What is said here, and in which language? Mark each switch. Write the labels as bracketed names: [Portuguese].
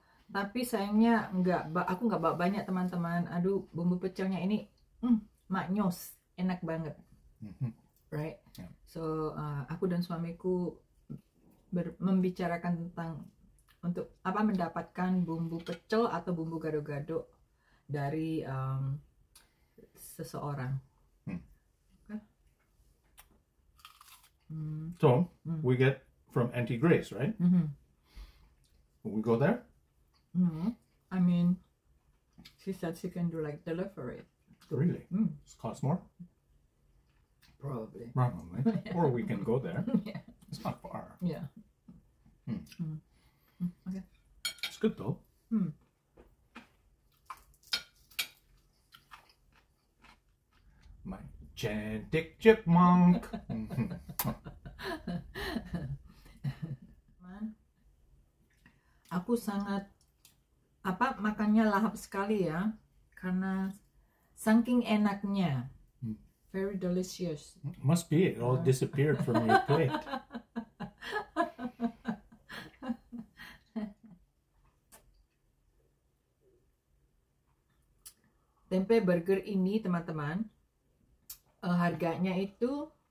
[Indonesian] Tapi sayangnya aku nggak bawa banyak teman-teman. Aduh, bumbu pecelnya ini maknyos, enak banget, right? [English] Yeah. [Indonesian] So aku dan suamiku membicarakan tentang untuk apa mendapatkan bumbu pecel atau bumbu gado-gado dari seseorang. [English] So we get from Auntie Grace, right? We go there. No, I mean, she said she can do like delivery. Really? It costs more? Probably. Yeah. Or we can go there. Yeah. It's not far. Yeah. Okay. It's good though. My gentic chipmunk. [Indonesian] Aku sangat apa makannya lahap sekali ya karena saking enaknya. [English] Very delicious. Must be it all disappeared from your plate. [Indonesian] Tempe burger ini teman-teman harganya itu